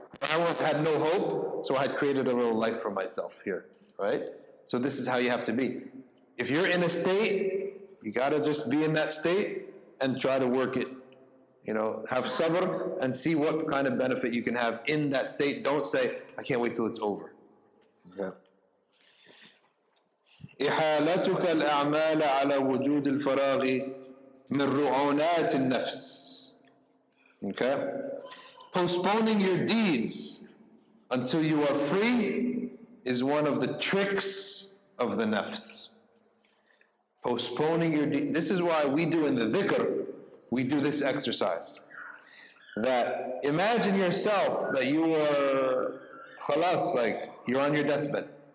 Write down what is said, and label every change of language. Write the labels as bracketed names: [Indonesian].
[English] I once had no hope, so I had created a little life for myself here, right? So this is how you have to be. If you're in a state, you gotta just be in that state and try to work it. You know, have sabr and see what kind of benefit you can have in that state. Don't say, I can't wait till it's over. [Arabic] إحالتك الأعمال على وجود الفراغ من رعونات النفس. [English] Okay. Postponing your deeds until you are free is one of the tricks of the nafs. Postponing your deeds. This is why we do in the dhikr, we do this exercise. That imagine yourself that you are khalas, like you're on your deathbed.